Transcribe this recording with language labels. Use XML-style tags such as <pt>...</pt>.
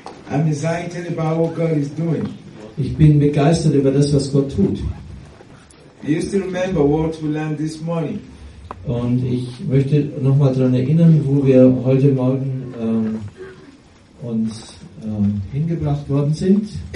<en>I'm excited about what God is doing.</en> <de>Ich bin begeistert über das, was Gott tut.</de> <en>Do you still remember what we learned this morning?</en> <de>Und ich möchte nochmal daran erinnern, wo wir heute Morgen uns hingebracht worden sind.</de>